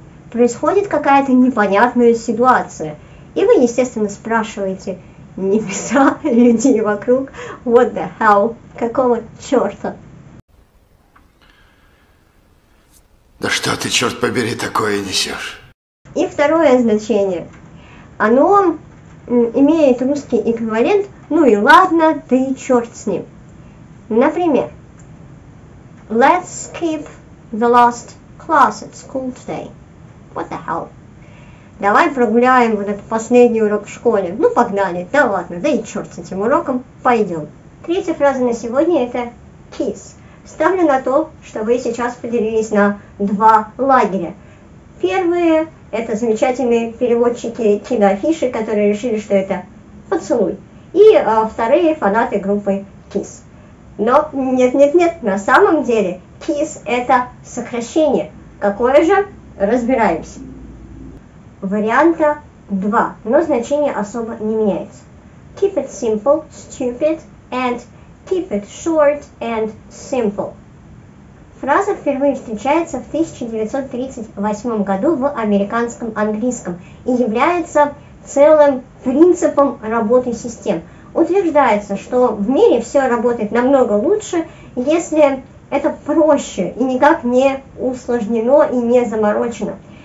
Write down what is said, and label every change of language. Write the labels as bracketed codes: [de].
[ru] Происходит какая-то непонятная ситуация, и вы, естественно, спрашиваете небеса, людей вокруг, [en] what the hell, [ru] какого черта. Да что ты, черт побери, такое несешь? И второе значение. Оно имеет русский эквивалент, ну и ладно, ты черт с ним. Например, [en] let's skip the last class at school today. What the hell? [ru] Давай прогуляем вот этот последний урок в школе. Ну погнали, да ладно, да и черт с этим уроком, пойдем. Третья фраза на сегодня это kiss. Ставлю на то, что вы сейчас поделились на два лагеря. Первые это замечательные переводчики киноафиши, которые решили, что это поцелуй. И вторые фанаты группы kiss. Но нет, на самом деле kiss это сокращение. Какое же? Разбираемся. Варианта 2, но значение особо не меняется. [en] Keep it simple, stupid, and keep it short and simple. [ru] Фраза впервые встречается в 1938 году в американском английском и является целым принципом работы систем. Утверждается, что в мире все работает намного лучше, если это проще и никак не усложнено и не заморочено.